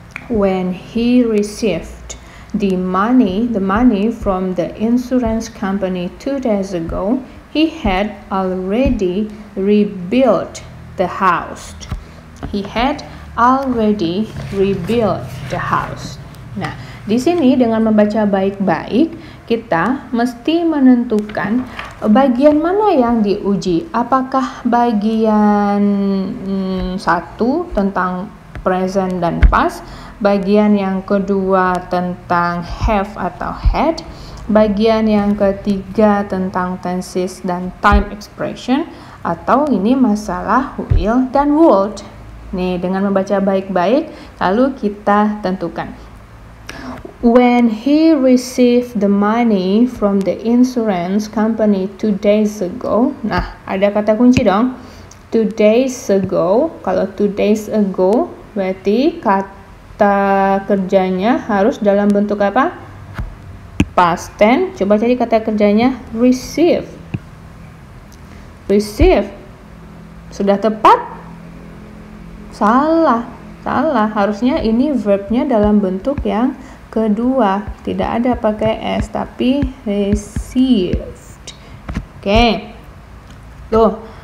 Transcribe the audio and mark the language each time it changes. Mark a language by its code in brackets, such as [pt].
[en] When he received the money from the insurance company 2 days ago, he had already rebuilt the house. He had already rebuilt the house. [id] Nah, di sini dengan membaca baik-baik, kita mesti menentukan bagian mana yang diuji. Apakah bagian 1 tentang present dan past, bagian yang kedua tentang have atau had, bagian yang ketiga tentang tenses dan time expression, atau ini masalah will dan would. Nih, dengan membaca baik-baik, lalu kita tentukan. [en] When he received the money from the insurance company 2 days ago, [id] nah, ada kata kunci dong, [en] 2 days ago. [id] Kalau 2 days ago, berarti kata kerjanya harus dalam bentuk apa? Past tense. Coba cari kata kerjanya, receive. Sudah tepat? Salah. Harusnya ini verbnya dalam bentuk yang kedua, tidak ada pakai s, tapi received. Oke. Tuh.